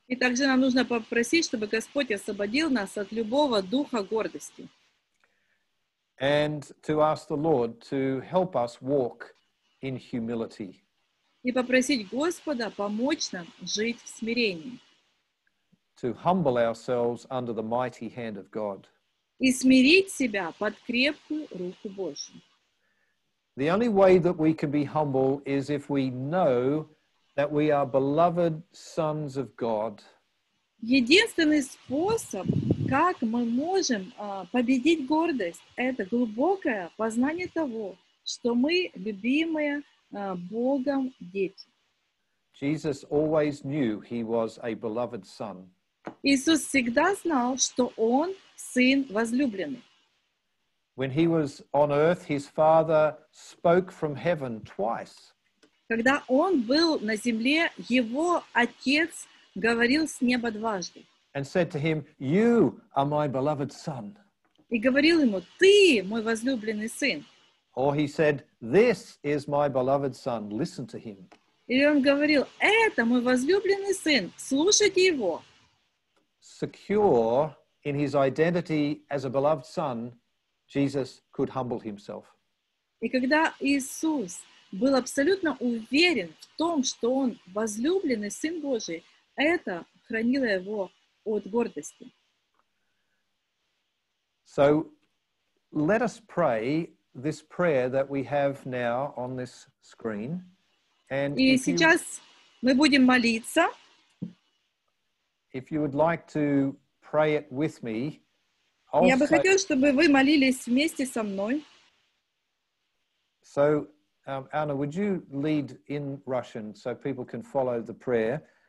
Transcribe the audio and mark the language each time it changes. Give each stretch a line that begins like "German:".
Russian: И также нам нужно попросить, чтобы Господь освободил нас от любого духа гордости.
English: And to ask the Lord to help us walk in humility.
Russian: И попросить Господа помочь нам жить в смирении.
English: To humble ourselves under the mighty hand of God.
Russian: И смирить себя под крепкую руку Божью.
English: The only way that we can be humble is if we know that we are beloved sons of God.
Russian: Единственный способ, как мы можем победить гордость, это глубокое познание того, что мы любимые Богом дети.
English: Jesus always knew he was a beloved son.
Russian: Иисус всегда знал, что он сын возлюбленный.
English: When he was on earth, his father spoke from heaven twice.
Russian: Когда он был на земле, его отец говорил с неба дважды.
English: And said to him, "You are my beloved son."
Russian: И говорил ему, ты мой возлюбленный сын.
English: Or he said, "This is my beloved son. Listen to him."
Russian: Или он говорил, это мой возлюбленный сын. Слушайте его.
English: Secure in his identity as a beloved son, Jesus could humble himself.
Russian: И когда Иисус был абсолютно уверен в том, что он возлюбленный сын Божий, это хранило его от гордости.
English: So, let us pray this prayer that we have now on this screen.
Russian: And и сейчас мы будем молиться.
English: If you would like to pray it with me,
Russian: я бы хотел, чтобы вы молились вместе со мной.
English: So, Anna, would you lead in Russian so people can follow the prayer?